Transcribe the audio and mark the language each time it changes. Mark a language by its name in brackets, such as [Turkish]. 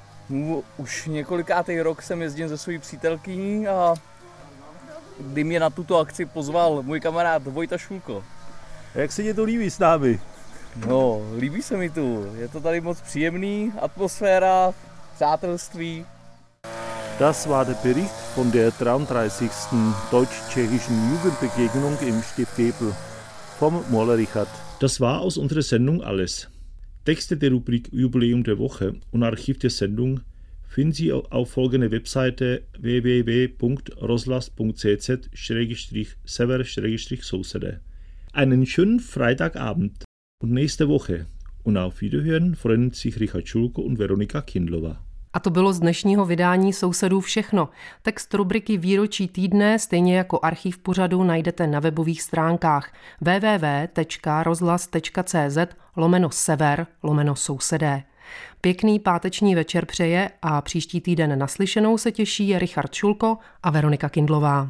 [Czech] No, už několikátý rok sem jezdím se svojí přítelkyní a kdy mě na tuto akci pozval můj kamarád Vojta Šulko. A jak se ti to líbí s námi? No, líbí se mi tu. Je to tady moc příjemný, atmosféra, přátelství. [German] Das war der Bericht von der 33. deutsch-tschechischen Jugendbegegnung im Stift Epl vom Moller Richard. Das war aus unserer Sendung alles. Texte der Rubrik Jubiläum der Woche und Archiv der Sendung finden Sie auf folgender Webseite www.roslas.cz/sever/sousede. Einen schönen Freitagabend und nächste Woche. Und auf Wiederhören freuen sich Richard Čulko und Veronika Kindlova. [Czech] A to bylo z dnešního vydání Sousedů všechno. Text rubriky Výročí týdne, stejně jako archiv pořadu, najdete na webových stránkách www.rozhlas.cz/sever/sousedé. Pěkný páteční večer přeje a příští týden naslyšenou se těší Richard Šulko a Veronika Kindlová.